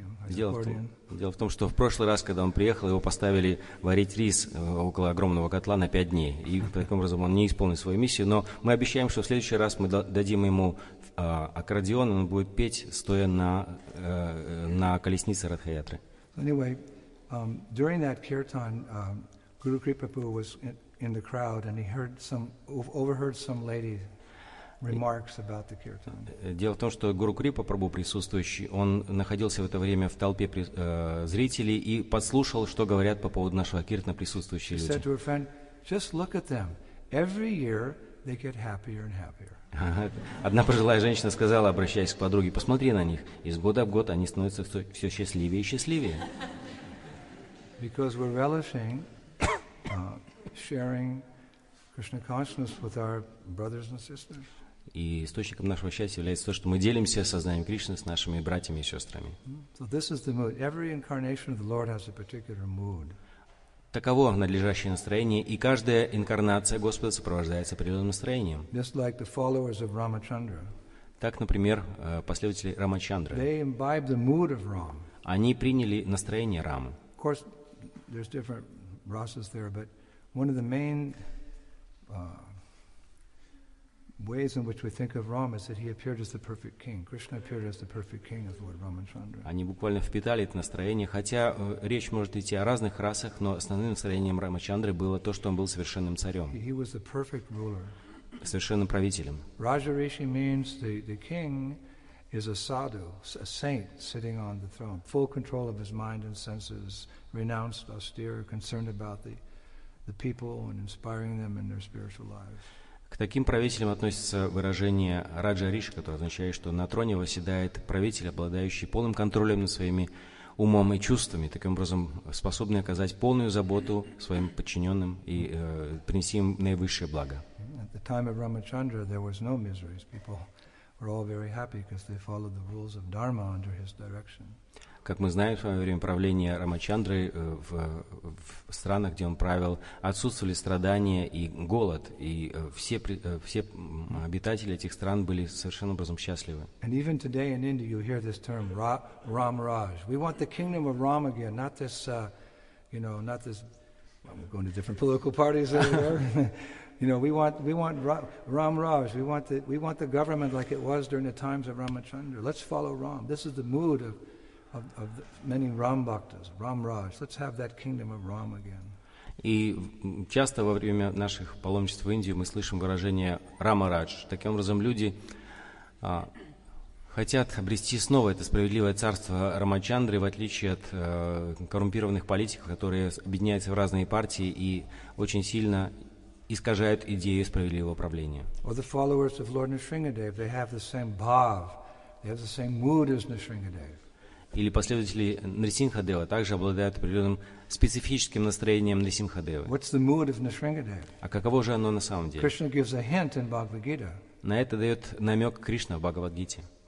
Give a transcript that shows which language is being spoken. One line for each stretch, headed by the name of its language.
Russian: Дело в том, что в прошлый раз, когда он приехал, его поставили варить рис около огромного котла на 5 дней. И таким образом он не исполнил свою миссию. Но мы обещаем, что в следующий раз мы дадим ему аккордеон, он будет петь, стоя на колеснице Радха-ятры.
English: Anyway, during that kirtan, Guru Kripa Prabhu was in the crowd and he heard some, overheard some lady remarks about the kirtan.
Russian: Дело в том, что Гуру Крипа Прабху присутствующий, он находился в это время в толпе зрителей и подслушал, что говорят по поводу нашего киртана присутствующие люди.
English: He said to a friend, "Just look at them. Every year they get happier and happier."
Russian: Одна пожилая женщина сказала, обращаясь к подруге, посмотри на них, из года в год они становятся все счастливее и счастливее.
English: Because we're relishing sharing Krishna consciousness with our brothers and sisters.
Russian: И источником нашего счастья является то, что мы делимся сознанием Кришны с нашими братьями и сестрами.
English: So this is the mood. Every incarnation of the Lord has a particular mood.
Russian: Таково надлежащее настроение, и каждая инкарнация Господа сопровождается определенным настроением.
English: Just like the followers of Ramachandra.
Russian: Так, например, последователи Рамачандры.
English: They imbibe the mood of Ram.
Russian: Они приняли настроение Рамы.
English: Of course, there's different rasas there, but one of the main ways in which we think of Ram is that he appeared as the perfect king. Krishna appeared as the perfect king of Lord Ramachandra.
Russian: Они буквально впитали это настроение, хотя речь может идти о разных расах, но основным настроением Рамачандры было то, что он был совершенным царем.
English: He was the perfect ruler.
Russian: Совершенным правителем.
English: Rajarishi means the king is a sadhu, a saint sitting on the throne, full control of his mind and senses, renounced, austere, concerned about the people and inspiring them in their spiritual lives.
Russian: К таким правителям относится выражение «раджа-риши», которое означает, что на троне восседает правитель, обладающий полным контролем над своими умом и чувствами, таким образом способный оказать полную заботу своим подчиненным и принести им наивысшее благо.
English: At the time of Ramachandra, there was no miseries. People were all very happy because they followed the rules of Dharma under his direction.
Russian: Как мы знаем, во время правления Рамачандры в странах, где он правил, отсутствовали страдания и голод, и все обитатели этих стран были совершенно образом счастливы.
English: And even today in India you hear this term Ramraj. We want the kingdom of Ram again, not this, you know, not this. Well, we're going to different political parties everywhere. You know, we want Ramraj. We want the government like it was during the times of Ramachandra. Let's follow Ram. This is the mood of many Ram Bhaktas, Ram Raj. Let's have that kingdom of Ram again.
Russian: И часто во время наших паломничеств в Индию мы слышим выражение Рама Радж. Таким образом, люди хотят обрести снова это справедливое царство Рамачандры, в отличие от коррумпированных политиков, которые объединяются в разные партии и очень сильно искажают идею справедливого правления.
English: Or the followers of Lord Nrisingadev, they have the same bhav, they have the same mood as Nrisingadev.
Russian: Или последователи Нрисимхадева также обладают определенным специфическим настроением Нрисимхадевы.
English: What's the mood of Nrisingadev?
Russian: А каково же оно на самом деле?
English: Krishna gives a hint in Bhagavad Gita.
Russian: На это дает намек Кришна в Бхагавадгите.